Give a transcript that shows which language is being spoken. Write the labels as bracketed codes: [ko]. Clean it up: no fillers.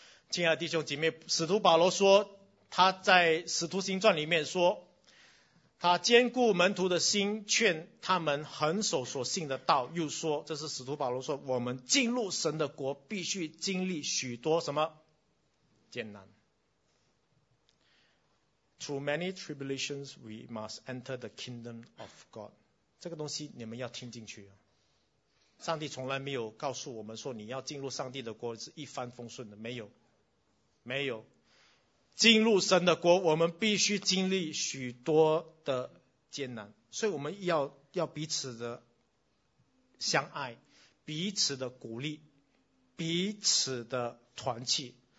[zh] 亲爱的弟兄姐妹，使徒保罗说，他在《使徒行传》里面说，他坚固门徒的心，劝他们恒守所信的道，又说，这是使徒保罗说，我们进入神的国，必须经历许多什么艰难。 [en] Through many tribulations, we must enter the kingdom of God. [zh] 这个东西你们要听进去。上帝从来没有告诉我们说你要进入上帝的国是一帆风顺的，没有，没有。进入神的国，我们必须经历许多的艰难，所以我们要彼此的相爱，彼此的鼓励，彼此的团契。